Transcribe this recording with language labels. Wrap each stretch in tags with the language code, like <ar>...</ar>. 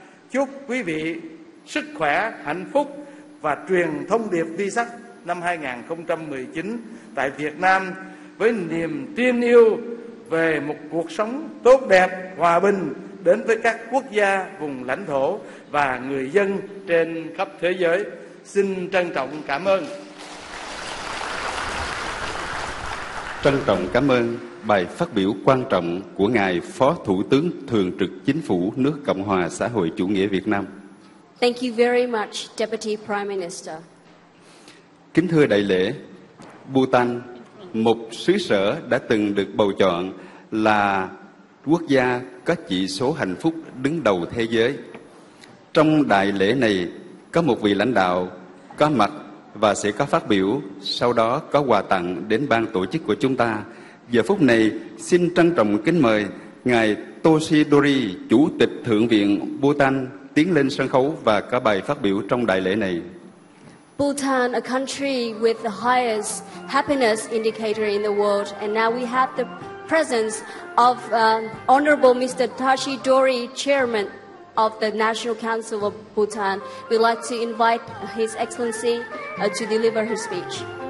<vi>Chúc quý vị sức khỏe, hạnh phúc và truyền thông điệp VSAC năm 2019 tại Việt Nam với niềm tin yêu về một cuộc sống tốt đẹp, hòa bình đến với các quốc gia, vùng lãnh thổ và người dân trên khắp thế giới. Xin trân trọng cảm ơn. Trân trọng cảm ơn bài phát biểu quan trọng của Ngài Phó Thủ tướng Thường trực Chính phủ nước Cộng hòa Xã hội Chủ nghĩa Việt Nam.</vi> <en>Thank you very much, Deputy Prime Minister.</en> <vi>Kính thưa đại lễ, Bhutan, một xứ sở đã từng được bầu chọn là quốc gia có chỉ số hạnh phúc đứng đầu thế giới. Trong đại lễ này, có một vị lãnh đạo có mặt và sẽ có phát biểu, sau đó có quà tặng đến ban tổ chức của chúng ta. Giờ phút này, xin trân trọng kính mời Ngài Toshidori, Chủ tịch Thượng viện Bhutan, tiến lên sân khấu và có bài phát biểu trong đại lễ này.</vi> <en>Bhutan, a country with the highest happiness indicator in the world, and now we have the presence of Honorable Mr. Toshidori, Chairman of the National Council of Bhutan. We'd like to invite His Excellency to deliver his speech.</en>